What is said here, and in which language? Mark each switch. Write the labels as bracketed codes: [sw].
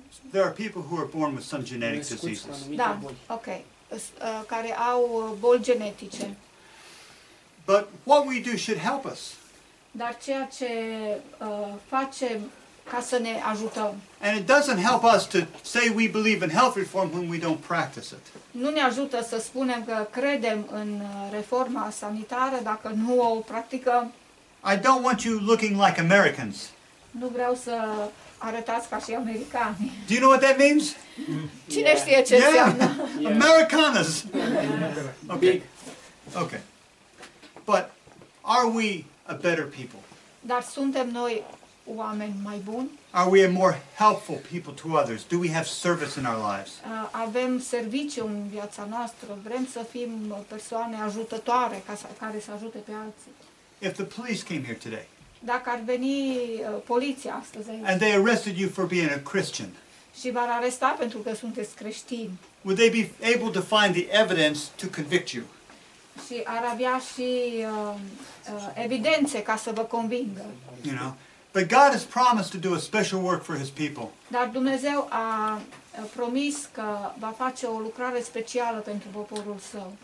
[en] there are people who are born with some genetic diseases. [ro] Da, okay. Care au boli genetice. [en] But what we do should help us. [ro] Dar ceea ce facem ca să ne ajutăm. [en] And it doesn't help us to say we believe in health reform when we don't practice it. [ro] Nu ne ajută să spunem că credem în reforma sanitară dacă nu o practicăm. [en] I don't want you looking like Americans. [ro] Nu vreau să arătați ca și americani. [en] Do you know what that means? [ro] Cine știe ce înseamnă? [es] Americanas. [en] Okay. Okay. But are we a better people? [ro] Dar suntem noi oameni mai buni? [en] Are we a more helpful people to others? Do we have service in our lives? [ro] Avem serviciu în viața noastră, vrem să fim persoane ajutătoare care să ajute pe alții. [en] If the police came here today. [ro] Dacă ar veni poliția astăzi. [en] And they arrested you for being a Christian. [ro] Și v-ar aresta pentru că sunteți creștini. [en] Would they be able to find the evidence to convict you? [ro] Și ar avea și evidențe ca să vă convingă. [en] You know, but God has promised to do a special work for his people. [ro] Dar Dumnezeu a promis că va face o lucrare specială pentru poporul său.